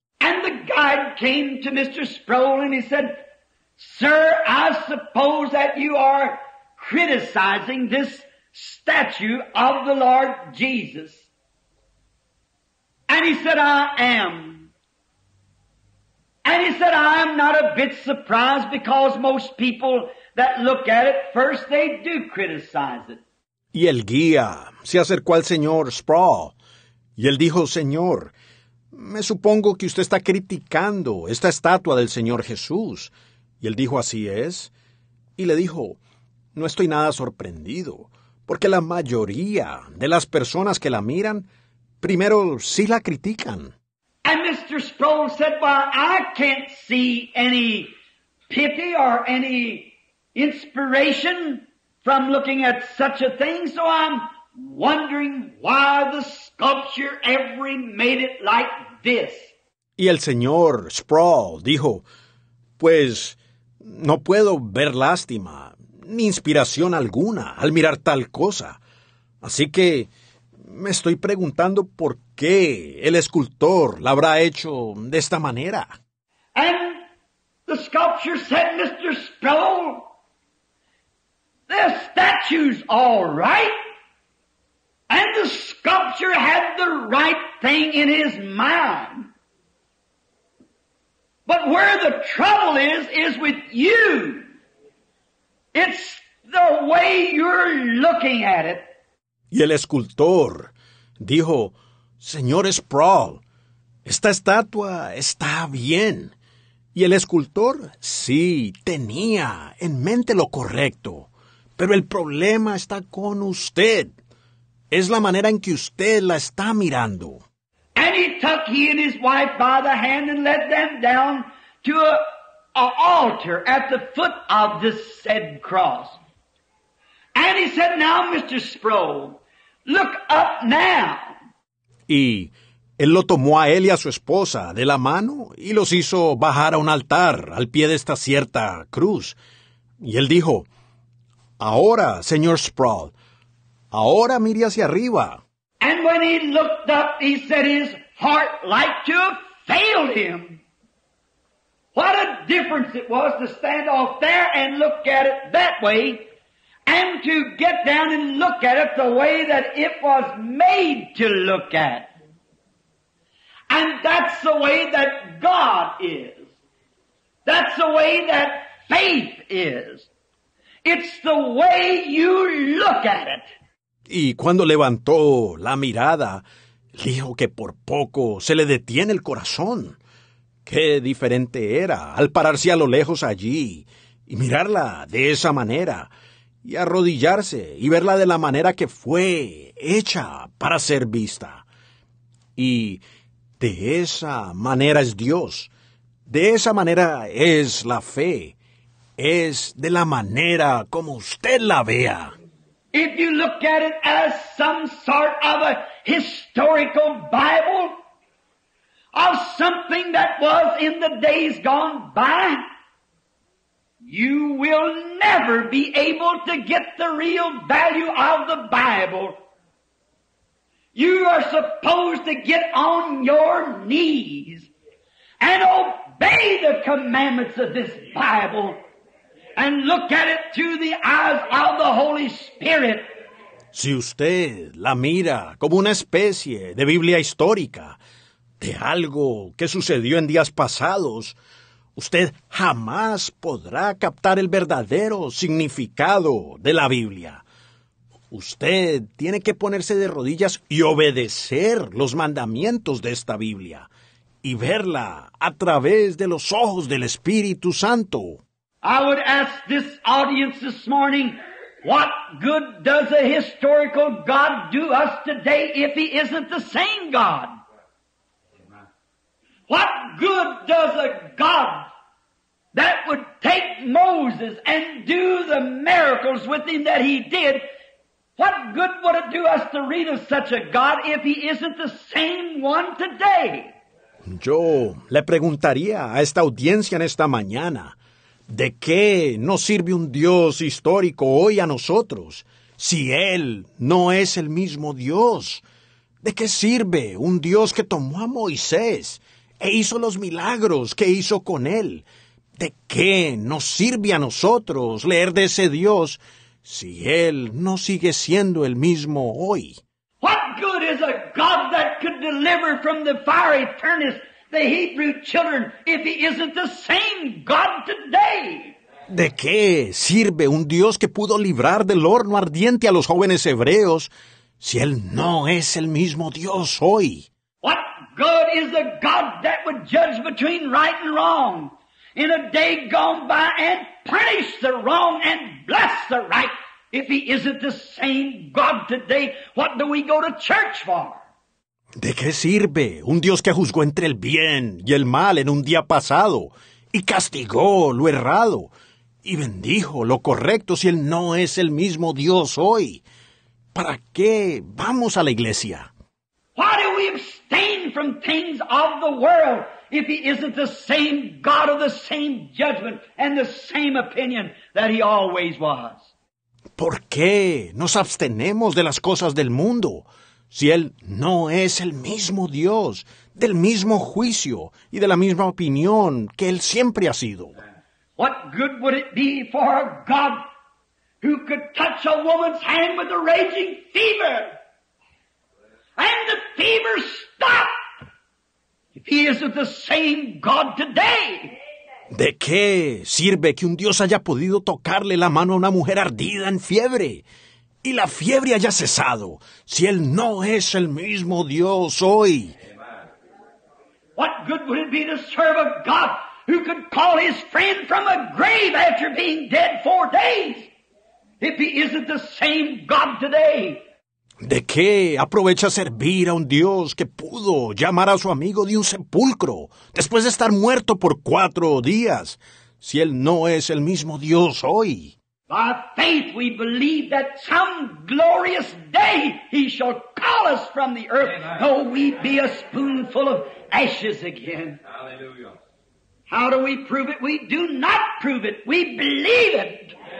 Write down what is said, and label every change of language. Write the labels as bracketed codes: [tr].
[en] And the guy I came to Mr. Sproul and he said, "Sir, I suppose that you are criticizing this statue of the Lord Jesus." And he said, "I am." And he said, "I am not a bit surprised, because most people that look at it first, they do criticize it." [es] Y el guía se acercó al señor Sproul y él dijo, "Señor, me supongo que usted está criticando esta estatua del Señor Jesús." Y él dijo, "Así es." Y le dijo, "No estoy nada sorprendido, porque la mayoría de las personas que la miran, primero sí la critican." [en] And Mr. Sproul said, "Well, I can't see any pity or any inspiration from looking at such a thing, so I'm wondering why the sculpture ever made it like this." [es] Y el señor Sproul dijo, "Pues no puedo ver lástima ni inspiración alguna al mirar tal cosa. Así que me estoy preguntando por qué el escultor la habrá hecho de esta manera." [en] And the sculpture said, "Mr. Sproul, the statue's all right. And the sculptor had the right thing in his mind. But where the trouble is with you. It's the way you're looking at it." [es] Y el escultor dijo, "Señor Sproul, esta estatua está bien." Y el escultor, sí, tenía en mente lo correcto. Pero el problema está con usted. Es la manera en que usted la está mirando. [en] And he took he and his wife by the hand and led them down to an altar at the foot of this said cross. And he said, "Now, Mr. Sproul, look up now." [es] Y él lo tomó a él y a su esposa de la mano y los hizo bajar a un altar al pie de esta cierta cruz. Y él dijo, "Ahora, señor Sproul, ahora mire hacia arriba." [en] And when he looked up, he said his heart like to have failed him. What a difference it was to stand off there and look at it that way, and to get down and look at it the way that it was made to look at. And that's the way that God is. That's the way that faith is. It's the way you look at it. [es] Y cuando levantó la mirada, dijo que por poco se le detiene el corazón. Qué diferente era al pararse a lo lejos allí y mirarla de esa manera, y arrodillarse y verla de la manera que fue hecha para ser vista. Y de esa manera es Dios, de esa manera es la fe, es de la manera como usted la vea. [en] If you look at it as some sort of a historical Bible of something that was in the days gone by, you will never be able to get the real value of the Bible. You are supposed to get on your knees and obey the commandments of this Bible. And look at it through the eyes of the Holy Spirit. [es] Si usted la mira como una especie de Biblia histórica, de algo que sucedió en días pasados, usted jamás podrá captar el verdadero significado de la Biblia. Usted tiene que ponerse de rodillas y obedecer los mandamientos de esta Biblia y verla a través de los ojos del Espíritu Santo. [en] I would ask this audience this morning, what good does a historical God do us today if he isn't the same God? What good does a God that would take Moses and do the miracles with him that he did, what good would it do us to read of such a God if he isn't the same one today? [es] Yo le preguntaría a esta audiencia en esta mañana, ¿de qué nos sirve un Dios histórico hoy a nosotros si Él no es el mismo Dios? ¿De qué sirve un Dios que tomó a Moisés e hizo los milagros que hizo con él. ¿De qué nos sirve a nosotros leer de ese Dios si él no sigue siendo el mismo hoy? [en] What good is a God that could deliver from the fiery furnace the Hebrew children if he isn't the same God today? [es] ¿De qué sirve un Dios que pudo librar del horno ardiente a los jóvenes hebreos si él no es el mismo Dios hoy? [en] What good is a God that would judge between right and wrong in a day gone by and punish the wrong and bless the right if he isn't the same God today? What do we go to church for? [es] ¿De qué sirve un Dios que juzgó entre el bien y el mal en un día pasado y castigó lo errado y bendijo lo correcto si él no es el mismo Dios hoy? ¿Para qué vamos a la iglesia? [en] Why do we abstain from things of the world if he isn't the same God of the same judgment and the same opinion that he always was? [es] ¿Por qué nos abstenemos de las cosas del mundo si él no es el mismo Dios, del mismo juicio y de la misma opinión que él siempre ha sido? [en] What good would it be for a God who could touch a woman's hand with a raging fever and the fever stop if he isn't the same God today? [es] ¿De qué sirve que un Dios haya podido tocarle la mano a una mujer ardida en fiebre y la fiebre haya cesado si él no es el mismo Dios hoy? [en] What good would it be to serve a God who could call his friend from a grave after being dead 4 days if he isn't the same God today? [es] ¿De qué aprovecha servir a un Dios que pudo llamar a su amigo de un sepulcro después de estar muerto por 4 días si él no es el mismo Dios hoy? [en] By faith we believe that some glorious day he shall call us from the earth, amen, though we be a spoonful of ashes again. Hallelujah. How do we prove it? We do not prove it. We believe it.